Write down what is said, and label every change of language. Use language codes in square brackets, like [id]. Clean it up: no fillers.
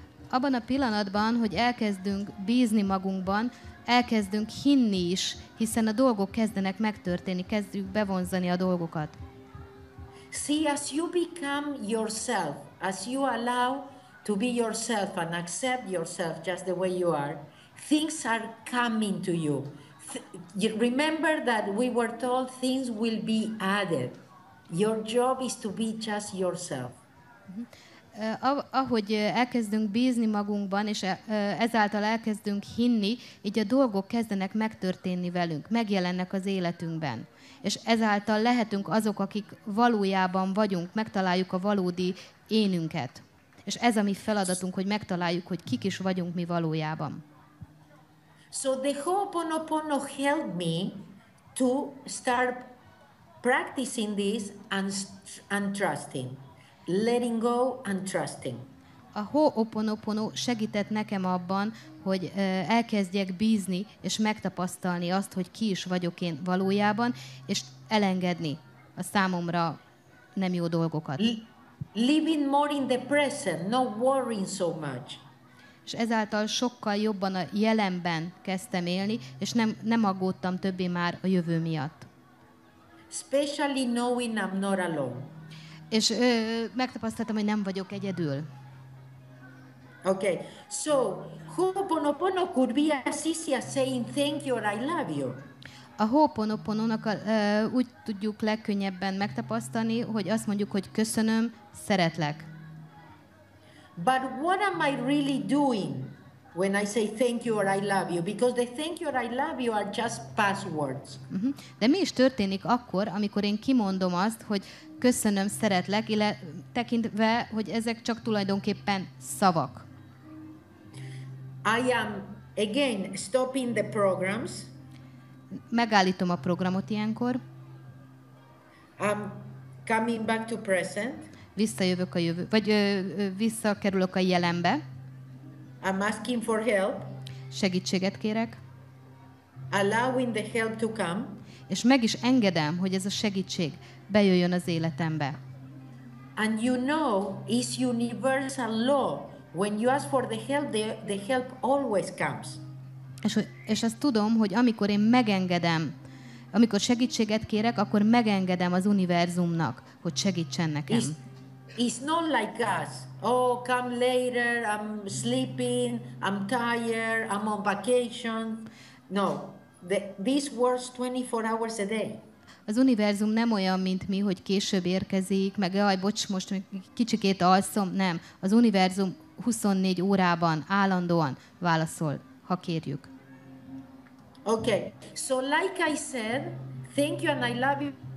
[hu] Abban a pillanatban, hogy elkezdünk bízni magunkban, elkezdünk hinni is, hiszen a dolgok kezdenek megtörténni, kezdjük bevonzani a dolgokat. [en] See, as you become yourself, as you allow to be yourself and accept yourself just the way you are, things are coming to you. Remember that we were told things will be added. Your job is to be just yourself. [hu] Ahogy elkezdünk bízni magunkban, és ezáltal elkezdünk hinni, így a dolgok kezdenek megtörténni velünk, megjelennek az életünkben. És ezáltal lehetünk azok, akik valójában vagyunk, megtaláljuk a valódi énünket. És ez a mi feladatunk, hogy megtaláljuk, hogy kik is vagyunk mi valójában. [en] So the Ho'oponopono helped me to start practicing this and trusting. Letting go and trusting. [hu] A Ho'oponopono segített nekem abban, hogy elkezdjek bízni és megtapasztalni azt, hogy ki is vagyok én valójában, és elengedni a számomra nem jó dolgokat. [en] Living more in the present, not worrying so much. [hu] És ezáltal sokkal jobban a jelenben kezdtem élni, és nem aggódtam többé már a jövő miatt. [en] Especially knowing I'm not alone. [hu] És megtapasztaltam, hogy nem vagyok egyedül. [en] Okay, so Ho'oponopono could be as easy as saying thank you or I love you. [hu] A Ho'oponoponónak úgy tudjuk legkönnyebben megtapasztani, hogy azt mondjuk, hogy köszönöm, szeretlek. [en] But what am I really doing when I say thank you or I love you? Because the thank you or I love you are just passwords. [hu] De mi is történik akkor, amikor én kimondom azt, hogy köszönöm, szeretlek, illetve tekintve, hogy ezek csak tulajdonképpen szavak. [en] I am again stopping the programs. [hu] Megállítom a programot ilyenkor. [en] I'm coming back to present. [hu] Visszajövök a jövő, vagy visszakerülök a jelenbe. [en] I'm asking for help. [hu] Segítséget kérek. [en] Allowing the help to come. [hu] És meg is engedem, hogy ez a segítség bejöjjön az életembe. [en] And you know, it's universal law. When you ask for the help, the help always comes. [hu] És azt tudom, hogy amikor én megengedem, amikor segítséget kérek, akkor megengedem az univerzumnak, hogy segítsen nekem. [en] It's not like us. Oh, come later, I'm sleeping, I'm tired, I'm on vacation. No, this works 24 hours a day. [hu] Az univerzum nem olyan, mint mi, hogy később érkezik, meg jaj, bocs, most kicsikét alszom. Nem, az univerzum 24 órában állandóan válaszol, ha kérjük. [en] Okay, so like I said, thank you and I love you.